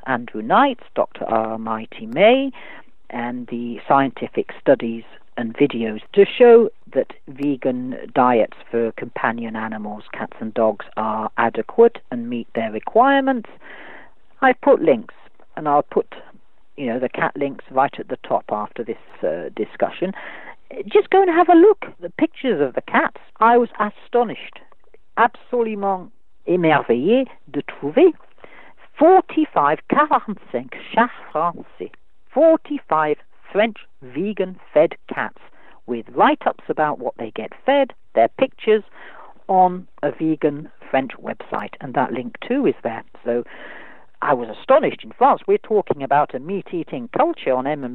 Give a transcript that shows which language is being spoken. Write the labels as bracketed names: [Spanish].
[English] Andrew Knight, Dr. Armiti May, and the scientific studies and videos to show that vegan diets for companion animals, cats and dogs, are adequate and meet their requirements. I put links, and I'll put, you know, the cat links right at the top after this discussion. Just go and have a look. The pictures of the cats, I was astonished. [French] Absolument émerveillé de trouver 45, 45 chats français. [English] 45 French vegan fed cats, with write-ups about what they get fed, their pictures, on a vegan French website, and that link too is there. So I was astonished. In France, we're talking about a meat-eating culture on M.